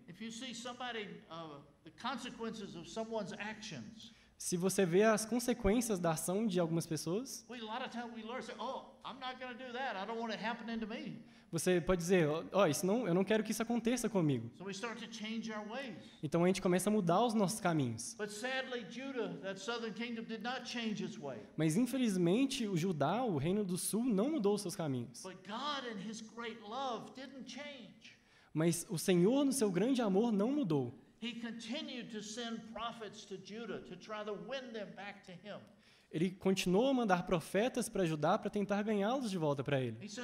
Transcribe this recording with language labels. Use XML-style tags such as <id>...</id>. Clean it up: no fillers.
<en>If you see somebody, the consequences of someone's actions,</en> <pt>se você vê as consequências da ação de algumas pessoas,</pt> <en>a lot of times we learn, I'm not going to do that. I don't want it happening to me.</en> <pt>Você pode dizer, isso não, eu não quero que isso aconteça comigo.</pt> <en>So we start to change our ways.</en> <pt>Então a gente começa a mudar os nossos caminhos.</pt> <en>But sadly, Judah, that southern kingdom, did not change its way.</en> <pt>Mas infelizmente o Judá, o reino do sul, não mudou os seus caminhos.</pt> <en>But God in his great love didn't change.</en> <pt>Mas o Senhor, no seu grande amor, não mudou.</pt> <en>He continued to send prophets to Judah to try to win them back to him.</en> <pt>Ele continuou a mandar profetas para Judá para tentar ganhá-los de volta para ele.</pt>